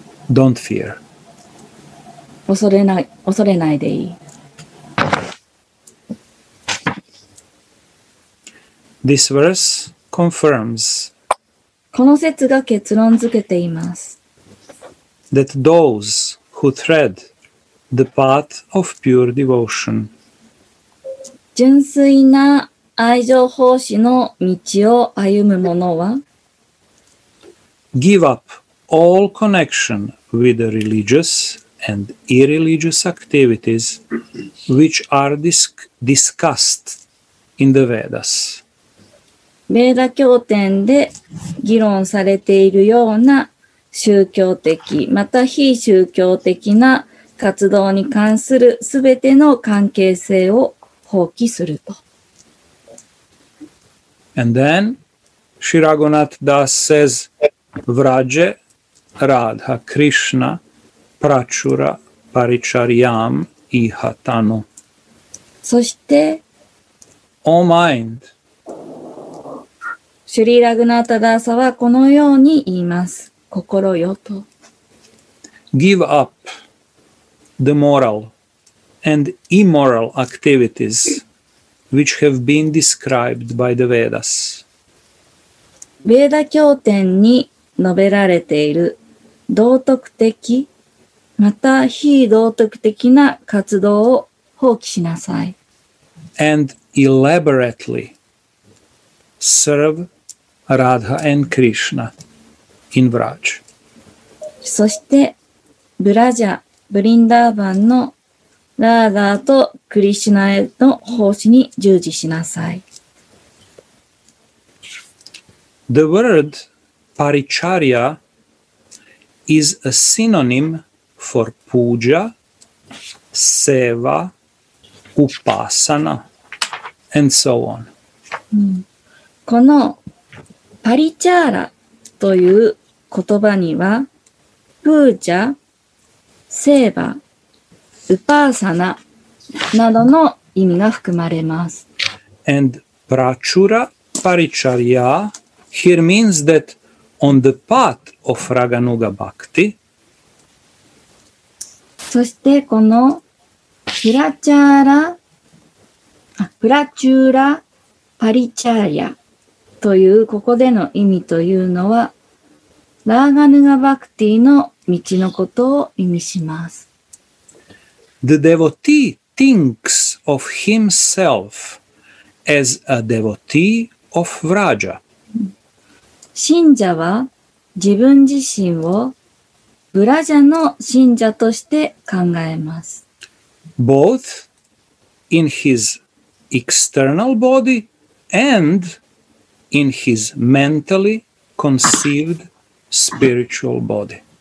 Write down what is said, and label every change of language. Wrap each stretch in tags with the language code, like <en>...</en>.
<en>Don't fear.</en> <ja>恐れないでいい。</ja> <en>This verse confirms.</en> <ja>この節が結論付けています。</ja> <en>That those who tread the path of pure devotion.</en> <ja>純粋な愛情奉仕の道を歩む者は</ja> <en>Give up all connection with the religious and irreligious activities which are discussed in the Vedas.</en> <ja>ベーダ経典で議論されているような宗教的また非宗教的な活動に関するすべての関係性を放棄すると。</ja> <en>And then, Shri Raghunath Das says,</en> <sa>Vraje Radha Krishna Prachura Paricharyam Ihatano.</sa> <ja>そして、 O mind, Shri Raghunath Das はこのように言います。心よと。</ja> <en>Give up the moral and immoral activities. Which have been described by the Vedas.</en> <ja>ベーダ経典に述べられている道徳的また非道徳的な活動を放棄しなさい。</ja> <en>And elaborately serve Radha and Krishna in Vraj.</en> <ja>そしてブラジャ、ブリンダーバンのラーダーとクリシュナへの奉仕に従事しなさい。</ja> <en>The word paricharya is a synonym for puja, seva, upasana, and so on.、</en> <ja>うん、このパリチャーラという言葉には、プージャ、セーバ、ウパーサナなどの意味が含まれます。</ja> <en>And prachura paricharya here means that on the path of Raganuga Bhakti.</en> <ja>そしてこのプラチャーラ、プラチューラパリチャーヤというここでの意味というのはラーガヌガバクティの道のことを意味します。</ja> <en>The devotee thinks of himself as a devotee of Vraja.</en> <ja>信者は自分自身をブラジャの信者として考えます。</ja> <en>Both in his external body and in his mentally conceived spiritual body.</en>